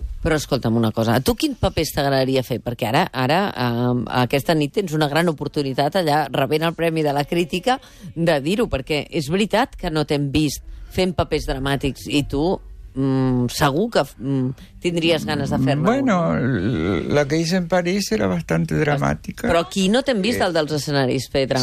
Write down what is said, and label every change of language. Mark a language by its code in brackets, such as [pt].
[ca] Però escolta'm una cosa, a tu quin paper t'agradaria fer? Perquè ara aquesta nit tens una gran oportunitat allà rebent el Premi de la Crítica de dir-ho, perquè és veritat que no t'hem vist fent papers dramàtics i tu segur que tindries ganes de fer-ne. [es] Bueno, la que hice en París era bastante dramática. [ca] Però aquí no t'hem vist al dels escenaris fer drama.